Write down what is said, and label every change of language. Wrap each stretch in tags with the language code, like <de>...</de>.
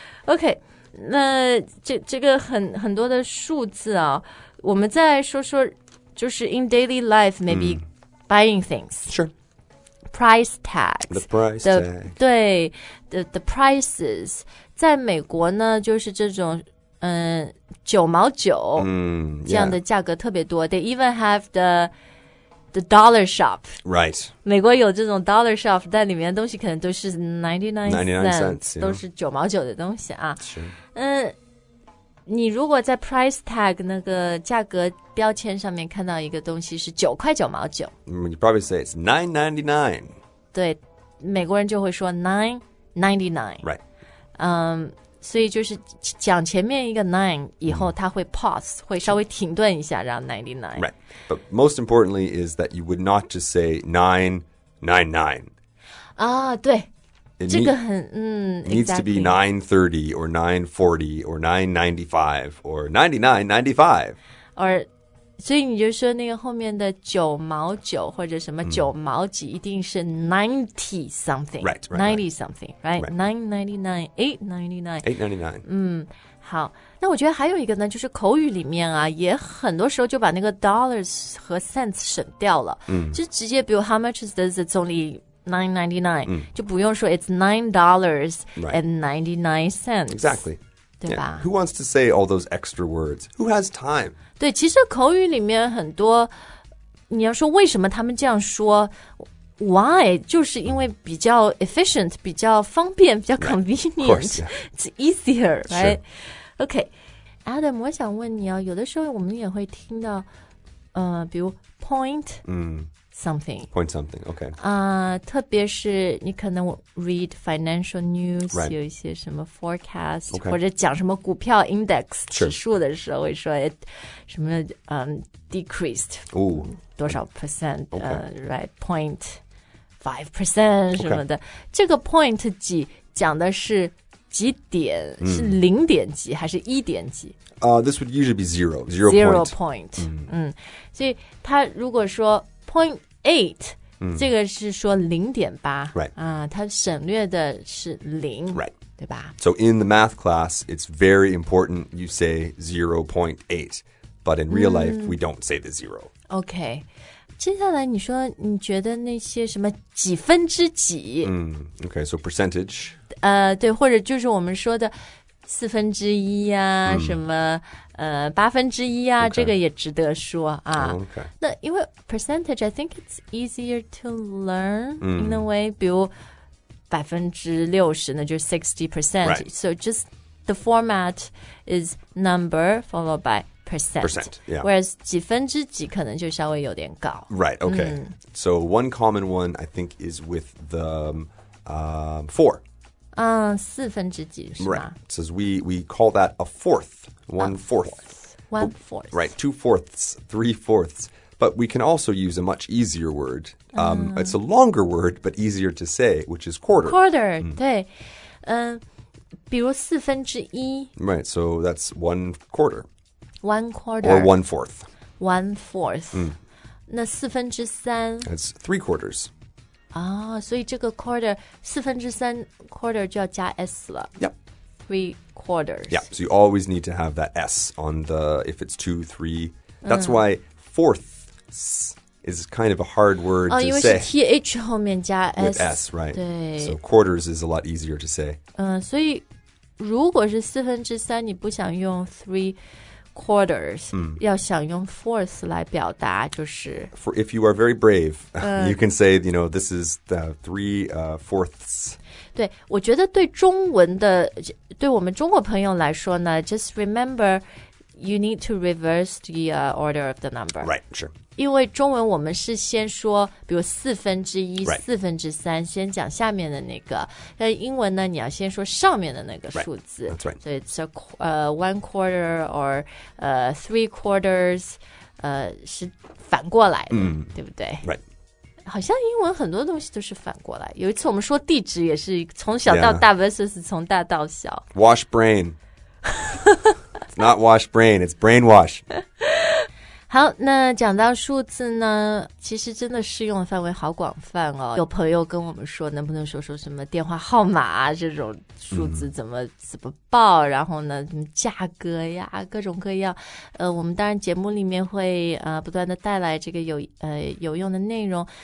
<zh>OK, 那 这个 很多的数字啊我们再说说就是</zh> <en>in daily life, maybe、</en> <zh>mm.</zh> <en>buying things. Sure. Price tags. The price tag. 对 the prices.</en> <zh>在美国呢就是这种九毛九这样的价格特别多。</zh> <en>Mm, yeah. They even have the dollar shop. Right.</en> <zh>美国有这种 dollar shop, 但里面的东西可能都是</zh> <en>99 cents,</en> <zh>都是九毛九的东西啊。是。你如果在 price tag 那个价格标签上面看到一个东西是九块九毛九。</zh> <en>You probably say it's 9.99.</en> <zh>对,美国人就会说 9.99.</zh> <en>Right.</en> <zh>所以就是讲前面一个 nine 以后，它会 pause，、mm. 会稍微停顿一下，然后 99.</zh> <en>Right, but most importantly is that you would not just say 9.99.</en> <zh>啊，对，</zh> <en>it、</en> <zh>这个很</zh> <en>needs、 exactly. to be 9.30 or 9.40 or 9.95 or 99.95.</en> <zh>Or 所以你就说那个后面的九毛九或者什么九毛几，一定是 ninety something,</zh> <en>right? Ninety right. something, right? 9.99, 8.99.</en> <zh>好，那我觉得还有一个呢，就是口语里面啊，也很多时候就把那个 dollars 和 cents 省掉了，就直接比如</zh> <en>how much is this? It's only 9.99，</en> <zh>就不用说</zh> <en>it's $9 and 99 cents. Exactly.</en> <zh>对吧</zh> <en>yeah. Who wants to say all those extra words? Who has time?</en> <zh>对，其实口语里面很多，你要说为什么他们这样说 ，Why? 就是因为比较 efficient， 比较方便，比较 convenient，</zh> <en>right. Course,、yeah. it's easier, right?、 Sure.</en> <zh>Okay, Adam， 我想问你啊，有的时候我们也会听到，比如 point、 mm.</zh> <en>something， point something， okay，</en> <zh>啊、特别是你可能。</zh> <en>Read financial news,、 right.</en> <zh>有一些什么 forecast,、</zh> <en>okay.</en> <zh>或者讲什么股票 index 指数的时候，会、</zh> <en>sure.</en> <zh>说什么decreased、</zh> <en>Ooh.</en> <zh>多少 percent,、</zh> <en>okay. right point 5%</en> <zh>什么的。</zh> <en>Okay.</en> <zh>这个 point 几讲的是几点？ Mm. 是零点几还是一点几？</zh> <en>This would usually be zero point. Point.、</en> <zh>Mm. 嗯，所以他如果说</zh> <en>point eight。 Mm.</en> <zh>这个是说 0.8</zh> <en>Right、</en> <zh>它省略的是零</zh> <en>Right</en> <zh>对吧</zh> <en>So in the math class It's very important You say 0.8 But in real、mm. life We don't say the zero</en> <zh>OK 接下来你说你觉得那些什么几分之几、</zh> <en>mm. OK so percentage</en> <zh>对或者就是我们说的四分之一啊、 mm. 什么八分之一啊、</zh> <en>okay.</en> <zh>这个也值得说啊、</zh> <en>okay.</en> <zh>那因为</zh> <en>percentage I think it's easier to learn、 mm. in a way</en> <zh>比如百分之六十那就是 60%、</zh> <en>right. so just the format is number followed by percent. Yeah.</en> <zh>Whereas 几分之几可能就稍微有点高。</zh> <en>Right, okay.、Mm. So one common one, I think, is with the、four.</en> <zh>四分之几是吗</zh> <en>Right. It says we call that a fourth. One fourth. Right, 2/4, 3/4. But we can also use a much easier word.、It's a longer word, but easier to say, which is quarter.</en> <zh>Quarter,、mm. 对。比如四分之一</zh> <en>Right, so that's one quarter. One quarter. Or 1/4. 1/4.、 Mm.</en> <zh>那四分之三</zh> <en>That's 3/4.</en> <zh>啊、oh, 所以这个 quarter, 四分之三 quarter 就要加 S 了。</zh> <en>Yep. 3/4. Yep, so you always need to have that S on the, if it's 2, 3. That's、mm. why fourths is kind of a hard word、 oh, to say.</en> <zh>哦因为是 TH 后面加 S.</zh> <en>With S, right.</en> <zh>对。</zh> <en>So quarters is a lot easier to say.</en> <zh>所以如果是四分之三你不想用 3/4, mm. 要想用 fourth 来表达就是</zh> <en>For if you are very brave, you can say, you know, this is the three fourths.</en> <zh>对,我觉得对中文的,对我们中国朋友来说呢,</zh> <en>just remember, you need to reverse the order of the number. Right, sure.</en> <zh>因为中文我们是先说,比如四分之一,四分之三,先讲下面的那个。但英文呢,你要先说上面的那个数字。</zh> <en>Right. That's right. So it's a, one quarter or three quarters,</en> <zh>是反过来的,对不对?</zh> <en>Right.</en> <zh>好像英文很多东西都是反过来。有一次我们说地址也是从小到大 versus 从大到小。</zh> <en>Yeah. Wash brain. It's not wash brain, it's brainwash.</en> <zh>好那讲到数字呢其实真的适用的范围好广泛哦。有朋友跟我们说能不能说说什么电话号码、啊、这种数字怎么报然后呢价格呀各种各样。我们当然节目里面会不断的带来这个有用的内容。</zh>